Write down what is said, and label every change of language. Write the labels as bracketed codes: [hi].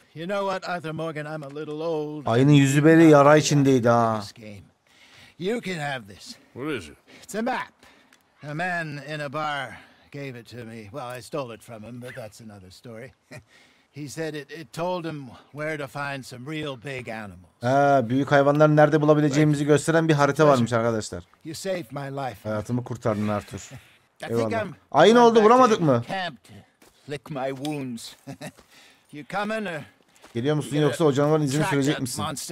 [en] You know what, Arthur Morgan, I'm a little old. [tr] Ayının yüzü beri yara içindeydi ha. [en] You can have this. What is it? It's a map. A man in a bar gave it to me. Well, I stole it from him, but that's another story. He said it told him where to find some real big animals. [tr] Ha, büyük hayvanları nerede bulabileceğimizi gösteren bir harita varmış arkadaşlar. [en] You saved my life. [tr] Hayatımı kurtardın Arthur. Eyvallah. Ayın oldu vuramadık mı? [en] Lick my wounds. You coming or? [tr] Geliyor musun yoksa o canavarın izini sürecek misin?